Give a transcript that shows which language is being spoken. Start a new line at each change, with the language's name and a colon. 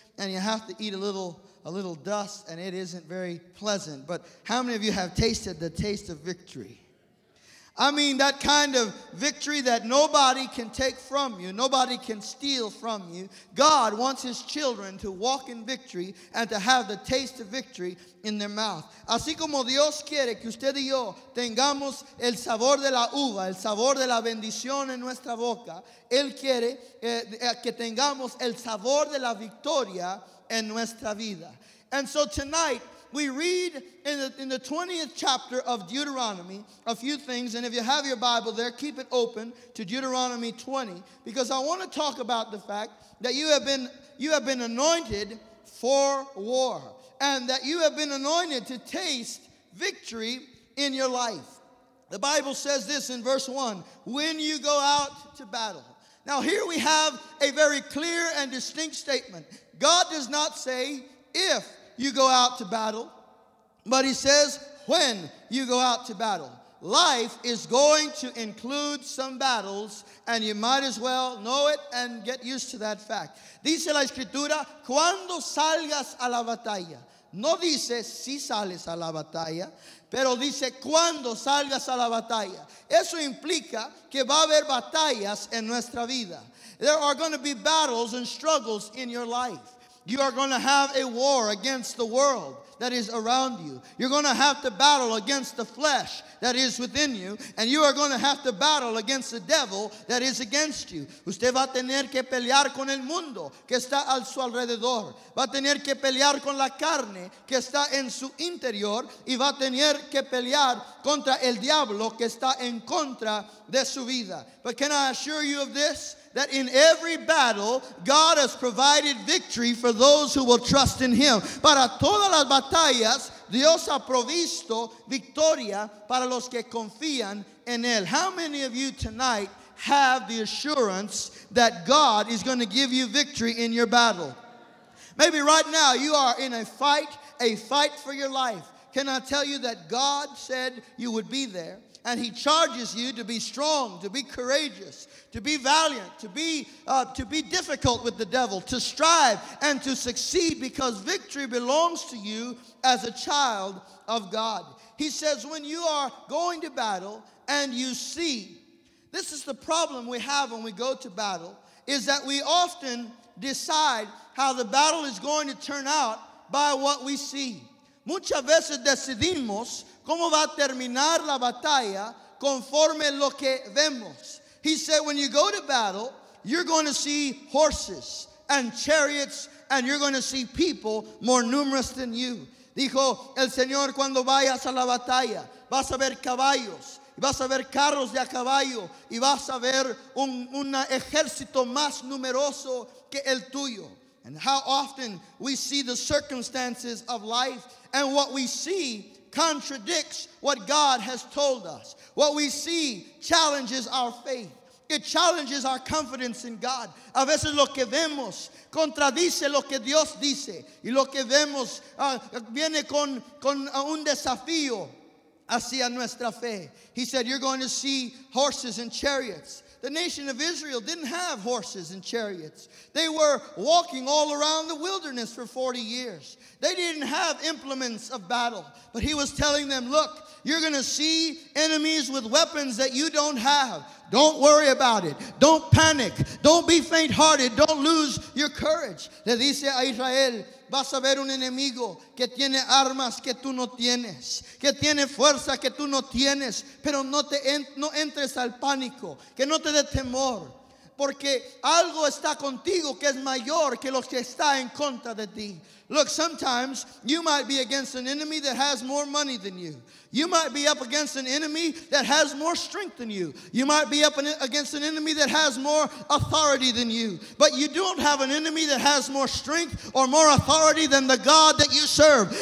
English: and you have to eat a little dust, and it isn't very pleasant. But how many of you have tasted the taste of victory? I mean, that kind of victory that nobody can take from you. Nobody can steal from you. God wants his children to walk in victory and to have the taste of victory in their mouth.
Spanish: Así como Dios quiere que usted y yo tengamos el sabor de la uva, el sabor de la bendición en nuestra boca, Él quiere que tengamos el sabor de la victoria en nuestra vida.
English: And so tonight, we read in the 20th chapter of Deuteronomy a few things, and if you have your Bible there, keep it open to Deuteronomy 20, because I want to talk about the fact that you have been anointed for war, and that you have been anointed to taste victory in your life. The Bible says this in verse 1, when you go out to battle. Now here we have a very clear and distinct statement. God does not say if you go out to battle, but he says when you go out to battle. Life is going to include some battles, and you might as well know it and get used to that fact.
Spanish: Dice la escritura, cuando salgas a la batalla. No dice si sales a la batalla, pero dice cuando salgas a la batalla. Eso implica que va a haber batallas en nuestra vida.
English: There are going to be battles and struggles in your life. You are going to have a war against the world that is around you. You're going to have to battle against the flesh that is within you. And you are going to have to battle against the devil that is against you.
Spanish: Usted va a tener que pelear con el mundo que está a su alrededor. Va a tener que pelear con la carne que está en su interior. Y va a tener que pelear contra el diablo que está en contra de su vida.
English: But can I assure you of this? That in every battle, God has provided victory for those who will trust in him.
Spanish: Para todas las batallas, Dios ha provisto victoria para los que confían en él.
English: How many of you tonight have the assurance that God is going to give you victory in your battle? Maybe right now you are in a fight for your life. Can I tell you that God said you would be there? And he charges you to be strong, to be courageous, to be valiant, to be difficult with the devil, to strive and to succeed, because victory belongs to you as a child of God. He says when you are going to battle and you see, this is the problem we have when we go to battle, is that we often decide how the battle is going to turn out by what we see.
Spanish: Muchas veces decidimos cómo va a terminar la batalla conforme lo que vemos.
English: He said, when you go to battle, you're going to see horses and chariots, and you're going to see people more numerous than you.
Spanish: Dijo el Señor, cuando vayas a la batalla, vas a ver caballos, vas a ver carros de a caballo, y vas a ver un ejército más numeroso que el tuyo.
English: And how often we see the circumstances of life, and what we see contradicts what God has told us. What we see challenges our faith. It challenges our confidence in God.
Spanish: A veces lo que vemos contradice lo que Dios dice. Y lo que vemos viene con un desafío hacia nuestra fe.
English: He said, you're going to see horses and chariots. The nation of Israel didn't have horses and chariots. They were walking all around the wilderness for 40 years. They didn't have implements of battle. But he was telling them, look, you're going to see enemies with weapons that you don't have. Don't worry about it. Don't panic. Don't be faint-hearted. Don't lose your courage.
Spanish: Le dice a Israel, vas a ver un enemigo que tiene armas que tú no tienes, que tiene fuerza que tú no tienes, pero no entres al pánico, que no te dé temor, porque algo está contigo que es mayor que lo que está en contra de ti.
English: Look, sometimes you might be against an enemy that has more money than you. You might be up against an enemy that has more strength than you. You might be up against an enemy that has more authority than you. But you don't have an enemy that has more strength or more authority than the God that you serve.